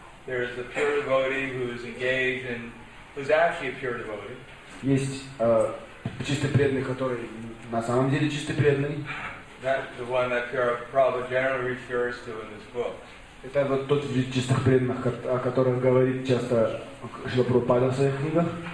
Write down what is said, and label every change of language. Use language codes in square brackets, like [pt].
[en] There is the pure devotee who is engaged and who's actually a pure devotee. [ru] Есть чистый преданный, который на самом деле чистый преданный. [en] That's the one that Prabhupada generally refers to in this book. [ru] Это вот тот вид чистых преданных, о которых говорит часто Шрила Прабхупада в своих книгах.